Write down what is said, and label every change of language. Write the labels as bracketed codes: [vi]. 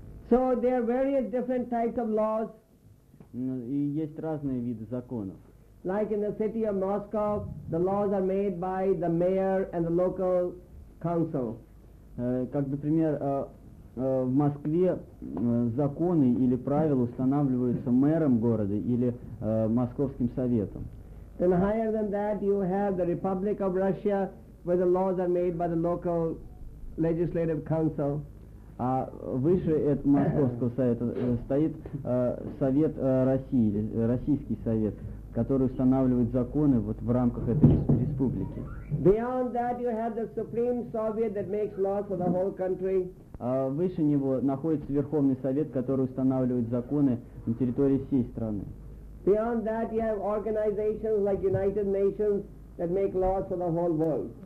[en] So there are various different types of laws. [ru] И есть разные виды законов. [en] Like in the city of Moscow, the laws are made by the mayor and the local council. [ru] Как, например, в Москве законы или правила устанавливаются мэром города или московским советом. [en] Then higher than that, you have the Republic of Russia, where the laws are made by the local legislative council. [ru] А выше этого московского совета стоит Совет России, Российский совет, который устанавливает законы вот в рамках этой республики. [en] Beyond that, you have the Supreme Soviet that makes laws for the whole country. [ru] Выше него находится Верховный совет, который устанавливает законы на территории всей страны. [en] Beyond that, you have organizations like United Nations that make laws for the whole world.